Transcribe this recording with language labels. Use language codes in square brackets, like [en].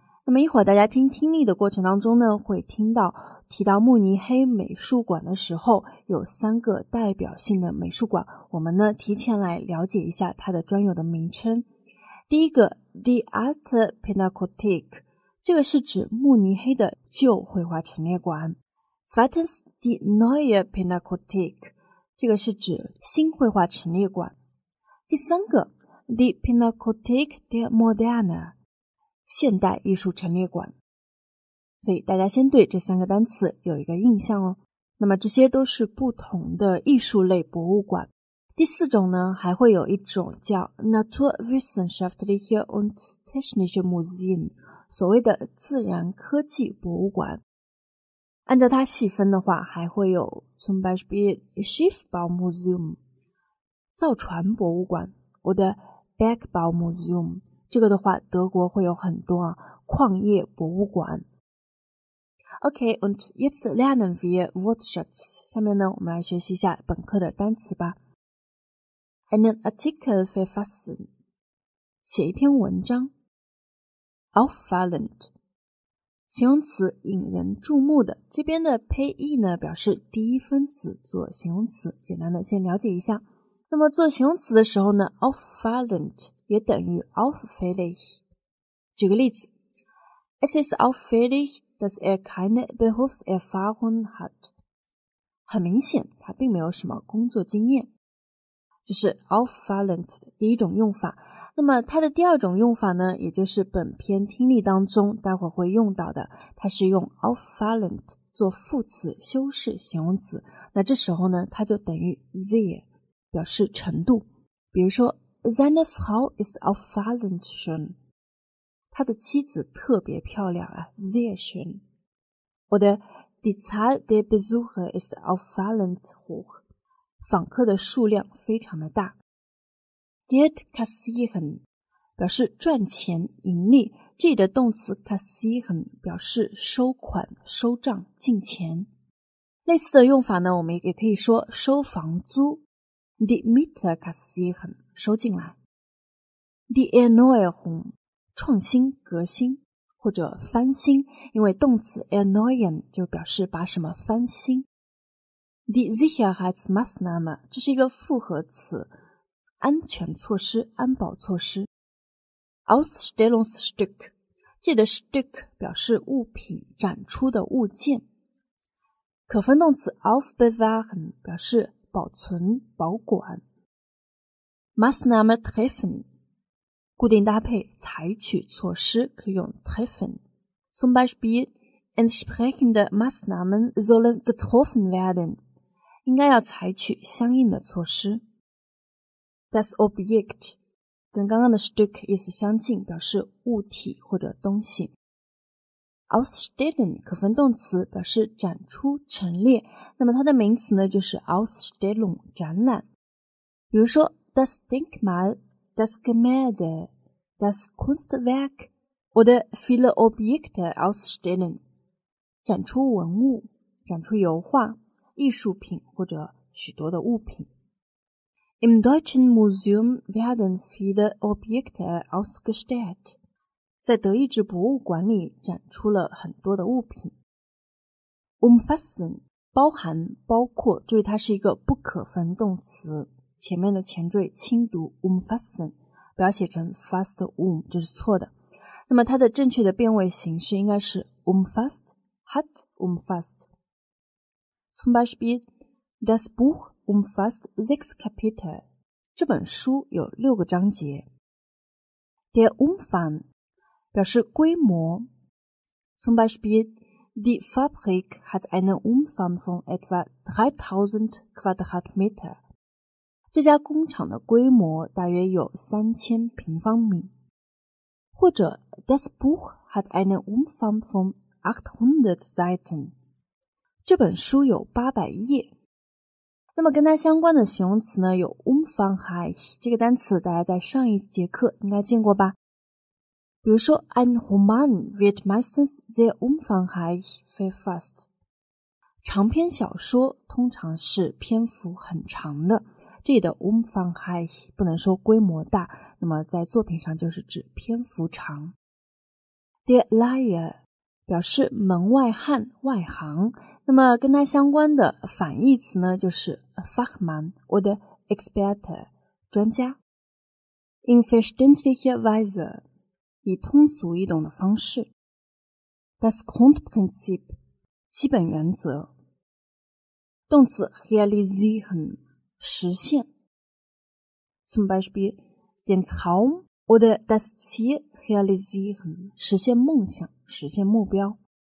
[zh] 那么一会儿大家听听力的过程当中呢，会听到提到慕尼黑美术馆的时候，有三个代表性的美术馆，我们呢提前来了解一下它的专有的名称。第一个 ，The Art Pinakothek， 这个是指慕尼黑的旧绘画陈列馆。 [de] Zweitens die Neue Pinakothek， [zh] 这个是指新绘画陈列馆。第三个 [de] ，The Pinakothek der Moderne。 [zh] 现代艺术陈列馆，所以大家先对这三个单词有一个印象哦。那么这些都是不同的艺术类博物馆。第四种呢，还会有一种叫 [de] Naturwissenschaftliche und Technische Museen， [zh] 所谓的自然科技博物馆。按照它细分的话，还会有 [de] zum Beispiel Schiffbaumuseum， [zh] 造船博物馆，或者 Bergbaumuseum， 这个的话德国会有很多啊，矿业博物馆。 [de] Okay, und jetzt lernen wir Wortschatz. [zh] 下面呢我们来学习一下本课的单词吧。 [de] Einen Artikel verfassen. [zh] 写一篇文章。Auffallend. 形容词引人注目的。这边的 PE 呢表示第一分词做形容词。简单的先了解一下。那么做形容词的时候呢 ,auffallend 也等于 auffällig。举个例子。 [de] Es ist auffällig,dass keine Berufserfahrung hat. [zh] 很明显他并没有什么工作经验。这是 auffallend 的第一种用法。那么它的第二种用法呢也就是本篇听力当中待会会用到的。它是用 auffallend 做副词修饰形容词。那这时候呢它就等于 sehr, 表示程度。比如说 [de] seine Frau ist auffallend schön. [zh] 他的妻子特别漂亮啊 , [de] sehr schön. Oder die Zahl der Besucher ist auffallend hoch. [zh] 访客的数量非常的大。 [de] Geld kassieren, [zh] 表示赚钱盈利。这里的动词 kassieren, 表示收款收账进钱。类似的用法呢我们也可以说收房租。 [de] Die Miete kassieren, [zh] 收进来。 Die Erneuerung,创新革新或者翻新因为动词 erneuern 就表示把什么翻新。 Die Sicherheitsmaßnahme, 这是一个复合词安全措施安保措施。 Ausstellungsstück, 这个 Stück 表示物品展出的物件。可分动词 aufbewahren, 表示保存保管。 [de] Maßnahme treffen, [zh] 固定搭配采取措施可以用 treffen. [de] Zum Beispiel, entsprechende Maßnahmen sollen getroffen werden. [zh] 应该要采取相应的措施。 Das Objekt, 跟刚刚的 Stück 意思相近表示物体或者东西。 Ausstellen, 可分动词表示展出陈列。那么它的名词呢就是 Ausstellung, 展览。比如说 [de] ,das Denkmal,Das Gemälde, das Kunstwerk oder viele Objekte ausstellen. [zh] 展出文物,展出油画,艺术品或者许多的物品。 [de] Im Deutschen Museum werden viele Objekte ausgestellt. [zh] 在德意志博物馆里展出了很多的物品。 Umfassen, 包含,包括,注意它是一个不可分动词。前面的前缀轻读 umfassen 不要写成 fast um 这是错的那么它的正确的变位形式应该是 [de] umfasst hat umfasst zum Beispiel das Buch umfasst 6 Kapitel [zh] 这本书有六个章节 [de] der Umfang [zh] 表示规模 [de] zum Beispiel die Fabrik hat einen Umfang von etwa 3000 Quadratmeter [zh] 这家工厂的规模大约有3000平方米。或者 [de] ,das Buch hat einen Umfang von 800 Seiten. [zh] 这本书有800页。那么跟它相关的形容词呢有 Umfangreich, 这个单词大家在上一节课应该见过吧。比如说 [de] ,ein Roman wird meistens sehr umfangreich verfasst. [zh] 长篇小说通常是篇幅很长的。这里的 umfangreich 不能说规模大那么在作品上就是指篇幅长。 Der Laier 表示门外汉外行那么跟它相关的反义词呢就是 [de] Fachmann oder Experte [zh] 专家。 [de] In verständlicher Weise [zh] 以通俗易懂的方式。 Das Grundprinzip 基本原则。动词 realisieren实现 , [de] zum Beispiel, den Traum oder das Ziel realisieren, [zh] 实现梦想实现目标。